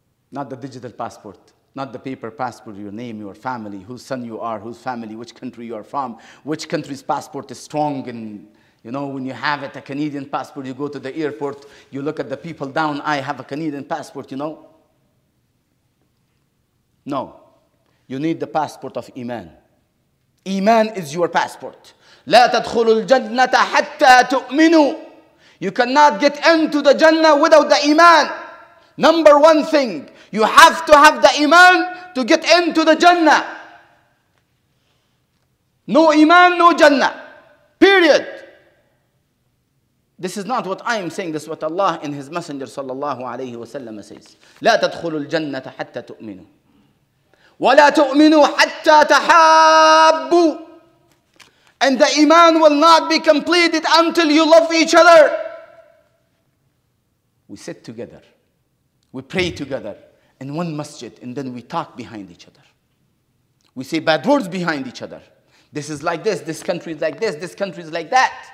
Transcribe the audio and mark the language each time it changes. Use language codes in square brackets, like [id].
[en] Not the digital passport, not the paper passport, your name, your family, whose son you are, whose family, which country you are from, which country's passport is strong. And you know, when you have it, a Canadian passport, you go to the airport, you look at the people down, I have a Canadian passport, you know. No, you need the passport of Iman. Iman is your passport. [ar] لا تدخل الجنة حتى تؤمنوا. [en] You cannot get into the Jannah without the Iman. Number one thing, you have to have the Iman to get into the Jannah. No Iman, no Jannah. Period. This is not what I am saying. This is what Allah in His Messenger sallallahu alayhi wa sallam says. [ar] لا تدخل الجنة حتى تؤمنوا. ولا تؤمنوا حتى تحابوا. [en] And the Iman will not be completed until you love each other. We sit together, we pray together in one masjid, and then we talk behind each other. We say bad words behind each other. This is like this, this country is like this, this country is like that.